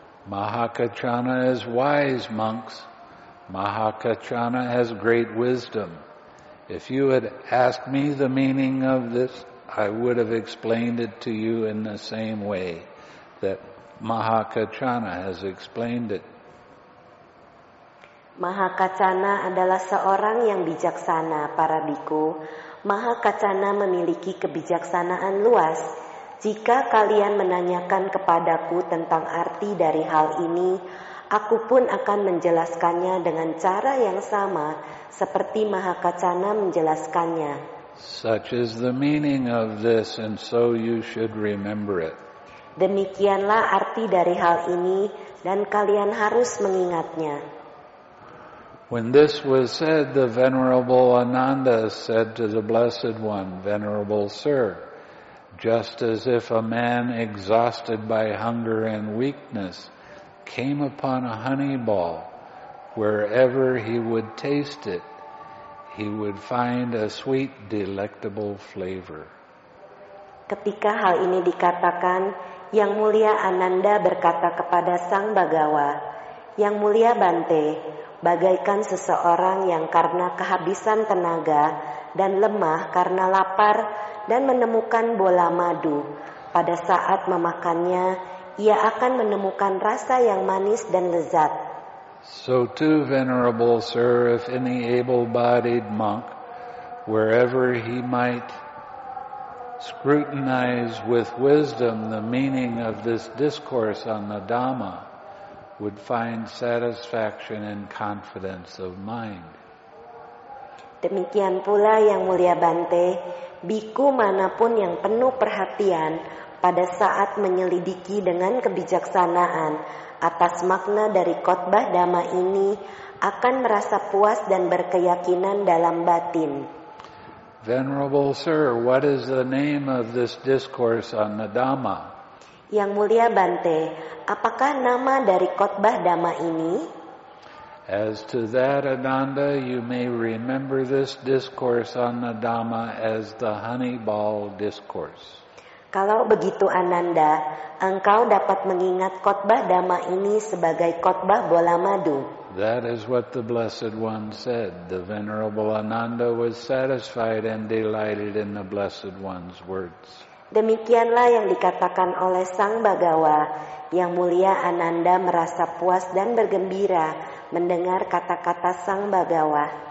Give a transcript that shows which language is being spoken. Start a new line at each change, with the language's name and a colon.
English: Mahakacchana is wise, monks. Mahakacchana has great wisdom. If you had asked me the meaning of this, I would have explained it to you in the same way that Mahakacchana has explained it.
Indonesian: Mahakacchana adalah seorang yang bijaksana, para bhikkhu. Mahakacchana memiliki kebijaksanaan luas. Jika kalian menanyakan kepadaku tentang arti dari hal ini, aku pun akan menjelaskannya dengan cara yang sama seperti Mahakacchana menjelaskannya.
English: Such is the meaning of this, and so you should remember it.
Indonesian: Demikianlah arti dari hal ini, dan kalian harus mengingatnya.
English: When this was said, the Venerable Ananda said to the Blessed One, Venerable Sir, just as if a man exhausted by hunger and weakness came upon a honey ball, wherever he would taste it, he would find a sweet, delectable flavor.
Indonesian: Ketika hal ini dikatakan, Yang Mulia Ananda berkata kepada Sang Bhagawa, Yang Mulia Bante, bagaikan seseorang yang karena kehabisan tenaga dan lemah karena lapar dan menemukan bola madu, pada saat memakannya, ia akan menemukan rasa yang manis dan lezat.
English: So too, Venerable Sir, if any able-bodied monk, wherever he might scrutinize with wisdom the meaning of this discourse on the Dhamma, would find satisfaction and confidence of mind.
Indonesian: Demikian pula Yang Mulia Bante, bhikkhu manapun yang penuh perhatian pada saat menyelidiki dengan kebijaksanaan atas makna dari khotbah Dhamma ini akan merasa puas dan berkeyakinan dalam batin.
English: Venerable Sir, what is the name of this discourse on the Dhamma?
Indonesian: Yang Mulia Bante, apakah nama dari khotbah Dhamma ini?
English: As to that, Ananda, you may remember this discourse on the Dhamma as the honey ball discourse.
Indonesian: Kalau begitu, Ananda, engkau dapat mengingat khotbah Dhamma ini sebagai khotbah bola madu.
English: That is what the Blessed One said. The Venerable Ananda was satisfied and delighted in the Blessed One's words.
Indonesian: Demikianlah yang dikatakan oleh Sang Bhagawa, Yang Mulia Ananda merasa puas dan bergembira mendengar kata-kata Sang Bhagawa.